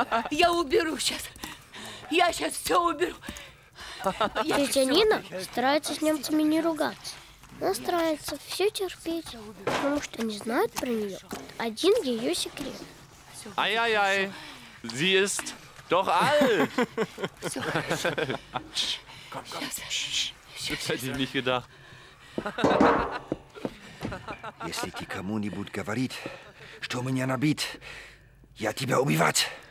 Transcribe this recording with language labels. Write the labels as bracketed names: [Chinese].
[Russian] Я уберу сейчас! Я сейчас все уберу! Тетя Нина старается с немцами не ругаться. Она старается все терпеть, потому что не знает про нее один ее секрет. Ай-яй-яй! [German] Sie ist doch alt! Das hätte ich nicht gedacht. [Russian] Если ты кому-нибудь говорить, что меня набит, я тебя убивать.